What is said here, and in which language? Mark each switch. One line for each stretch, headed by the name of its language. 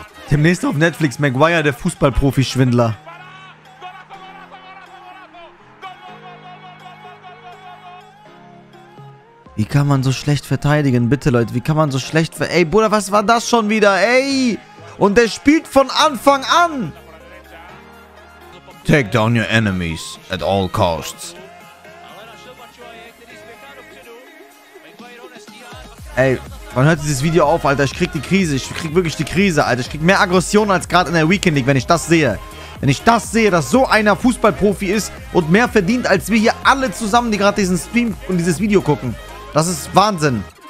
German: Demnächst auf Netflix, Maguire, der Fußballprofi-Schwindler. Wie kann man so schlecht verteidigen? Bitte, Leute, wie kann man so schlecht verteidigen? Ey, Bruder, was war das schon wieder? Ey! Und der spielt von Anfang an!
English: Take down your enemies at all costs.
German: Ey... Wann hört dieses Video auf, Alter? Ich krieg die Krise. Ich krieg wirklich die Krise, Alter. Ich krieg mehr Aggression als gerade in der Weekend League, wenn ich das sehe. Wenn ich das sehe, dass so einer Fußballprofi ist und mehr verdient, als wir hier alle zusammen, die gerade diesen Stream und dieses Video gucken. Das ist Wahnsinn.